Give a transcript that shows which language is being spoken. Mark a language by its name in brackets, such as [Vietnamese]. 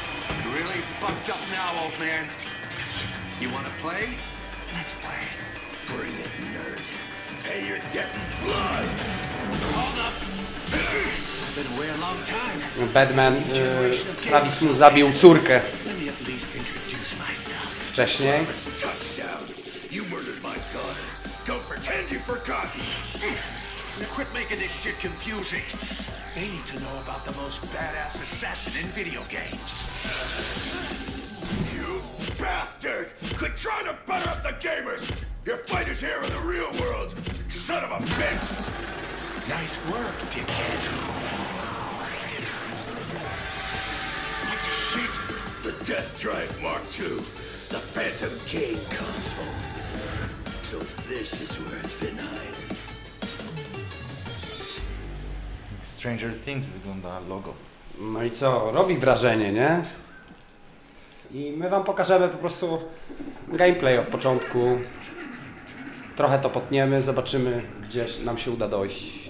[English] You're really fucked up now, old man. You wanna play? Let's play. Bring it, nerd. Pay your debt in blood. Hold up. I've been away a long time. [Polish] Batman, Travis mu zabił córkę. [English] Let me at least introduce myself. [Polish] Wcześniej. [English] Touchdown. You murdered my daughter. Don't pretend you forgot. Quit making this shit confusing. They need to know about the most badass assassin in video games. You bastard! Quit trying to butter up the gamers! Your fight is here in the real world, son of a bitch! Nice work, dickhead. What the shit? The Death Drive Mark II. The Phantom Game console. So this is where it's been hiding. [Polish] Stranger Things wygląda logo. No i co? Robi wrażenie, nie? I my wam pokażemy po prostu gameplay od początku. Trochę to potniemy, zobaczymy, gdzie nam się uda dojść.